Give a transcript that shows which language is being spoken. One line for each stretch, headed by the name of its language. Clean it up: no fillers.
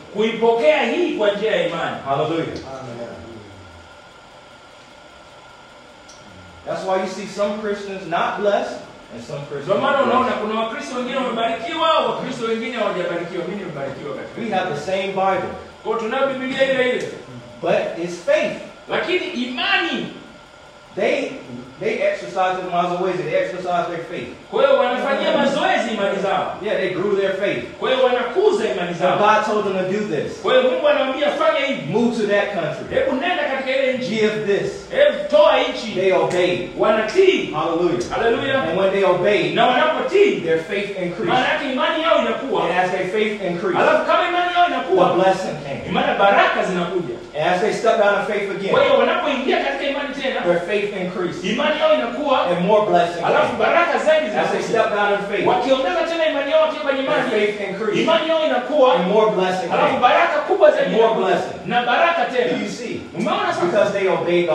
Swahili: Kuipokea hii kwa njia ya imani. Hallelujah.
English: That's why you see some Christians not blessed and some Christians.
Swahili: Kwa maana unaona kuna Wakristo wengine wamebarikiwa, Wakristo wengine hawajabarikiwa. Mimi nimebarikiwa katika.
English: We have the same Bible.
Swahili: Kwa tunayo Biblia ile ile.
English: But it's faith.
Swahili: Lakini imani.
English: They exercise in lots of ways. They exercise their faith.
Swahili: Kwa hiyo wanafanyia mazoezi imani zao.
English: Yeah, they grew their faith.
Swahili: Kwa hiyo wanakuza imani zao.
English: God told them to do this.
Swahili: Kwa hiyo Mungu anawaambia fanya hivi.
English: Move to that country.
Swahili: Hebu nenda katika ile nchi.
English: Give this.
Swahili: Hebu toa hichi.
English: They obey.
Swahili: Wanatii.
English: Hallelujah.
Swahili: Hallelujah.
English: And when they obey,
Swahili: na wanapotii,
English: their faith increases.
Swahili: Maana yake imani yao inakuwa.
English: And as their faith increases,
Swahili: alafu kama imani yao inakuwa,
English: the blessing came.
Swahili: Maana baraka zinakuja.
English: And as they step out of faith again,
Swahili: kwa hiyo wanapoingia katika imani tena,
English: their faith increases.
Swahili: Imani yao inakuwa,
English: and more blessing.
Swahili: Alafu baraka zaidi zinakuja.
English: As they step out of faith,
Swahili: wakiongeza tena imani yao kwa imani,
English: their faith increases.
Swahili: Imani yao inakuwa,
English: and more blessing.
Swahili: Alafu baraka kubwa zaidi,
English: more blessing.
Swahili: Na baraka tena.
English: Do you see?
Swahili: Umeona sasa?
English: Because they obey God.